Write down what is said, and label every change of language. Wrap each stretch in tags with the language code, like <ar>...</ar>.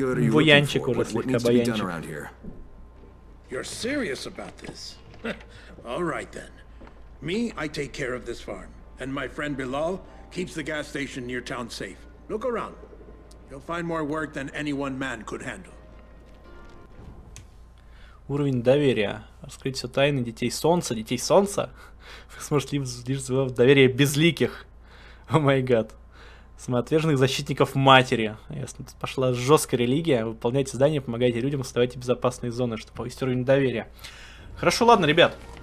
<ru>Буянчик уже слегка баянчик.</ru> <en>You're serious about this? All right then. Me, I take care of this farm, and my friend Bilal keeps the gas station near town safe. Look around. You'll find more work than any one man could handle.</en> <ru>Уровень доверия. Раскрыть все тайны детей солнца. Детей солнца? Вы сможете лишь завоевать доверие безликих.</ru> <en>О май гад.</en> <ru>Самоотверженных защитников матери. Ясно, тут пошла жесткая религия. Выполняйте задания, помогайте людям, оставайте безопасные зоны, чтобы повысить уровень доверия. Хорошо, ладно, ребят.</ru>